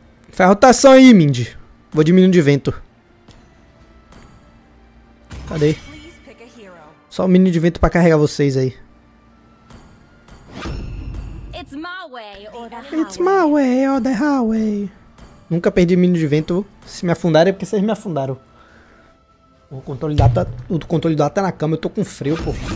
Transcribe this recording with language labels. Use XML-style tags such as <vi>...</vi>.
<pt>Faz rotação aí, Mind. Vou diminuir de vento. Cadê? Só um mini de vento pra carregar vocês aí.</pt> <en>It's my way or the highway.</en> <pt>Nunca perdi mini de vento. Se me afundarem é porque vocês me afundaram. O controle do ato tá na cama, eu tô com frio, pô.</pt>